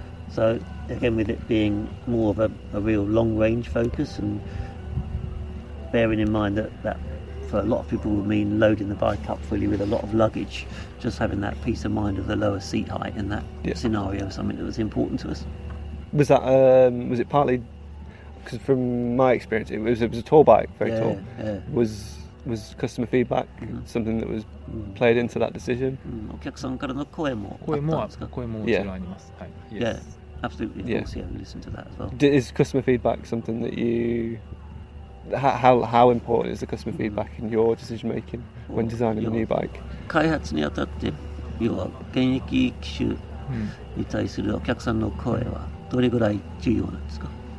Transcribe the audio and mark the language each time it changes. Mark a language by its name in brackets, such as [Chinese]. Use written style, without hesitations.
[English] So again, with it being more of a real long range focus, and bearing in mind that for a lot of people would mean loading the bike up fully with a lot of luggage, just having that peace of mind of the lower seat height in that scenario is something that was important to us. Was that was it partly because from my experience it was a tall bike, very tall. Was customer feedback something that was played into that decision? [Japanese] お客さんからの声もあったんですか？声ももちろんあります。 [English] Yeah, absolutely. Of course, yeah, we listened to that as well. Is customer feedback something that you How important is the customer feedback in your decision making when designing a new bike? [Japanese] 開発にあたって、要は現役機種に対するお客さんの声はどれぐらい重要なんですか？